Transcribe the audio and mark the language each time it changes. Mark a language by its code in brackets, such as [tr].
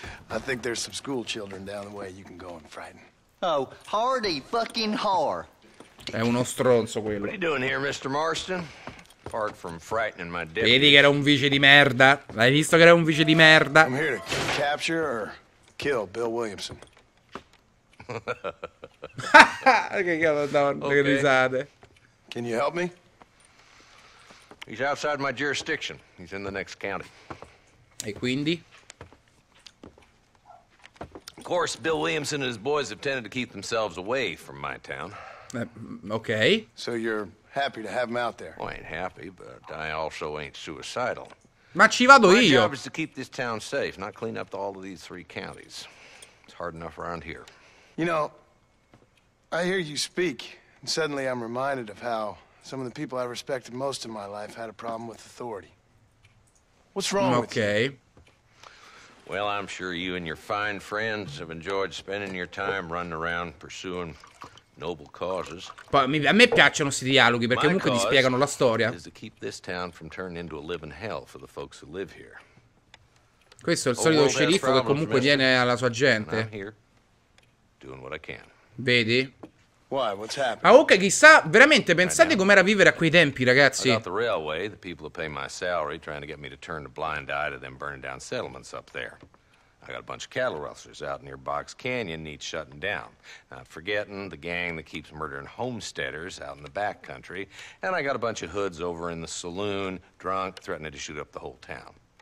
[en] I think there's some school children down the way you can go and frighten. Oh, hardy fucking whore. [it] È uno stronzo quello. [en] What are you doing here, Mr. Marston? Apart from frightening my deputy. [it] Vedi che era un vice di merda? L'hai visto che era un vice di merda? [en] I'm here to capture or kill Bill Williamson. [it] Che cavolo, donna, okay. Che risate. [en] Can you help me? He's outside my jurisdiction. He's in the next county. [it] E quindi? [en] Of course, Bill Williamson and his boys have tended to keep themselves away from my town. Okay. So you're happy to have him out there? Well, I ain't happy, but I also ain't suicidal. [it] Ma ci vado [en] my [it] io. [en] My job is to keep this town safe, not clean up all of these three counties. It's hard enough around here. You know, I hear you speak, and suddenly I'm reminded of how some of the people I respected most in my life had a problem with authority. What's wrong okay. with you? Okay. Well, I'm sure you and your fine friends have enjoyed spending your time running around pursuing noble causes. [it] A me piacciono questi dialoghi perché [en] my [it] comunque ti spiegano la storia. [en] Is to keep this town from turning into a living hell for the folks who live here. [it] Questo è il solito sceriffo che comunque viene alla sua gente. [en] I'm here doing what I can. [it] Vedi? [en] Why? What's happened? [it] Ah, ok, chissà, veramente pensate com'era vivere a quei tempi, ragazzi. [en] I got the railway, the people who pay my salary, trying to get me to turn a blind eye to them burning down settlements up there. I got a bunch of cattle rustlers out near Box Canyon needs shutting down. Not forgetting the gang that keeps murdering homesteaders out in the back country. And I got a bunch of hoods over in the saloon, drunk, threatening to shoot up the whole town.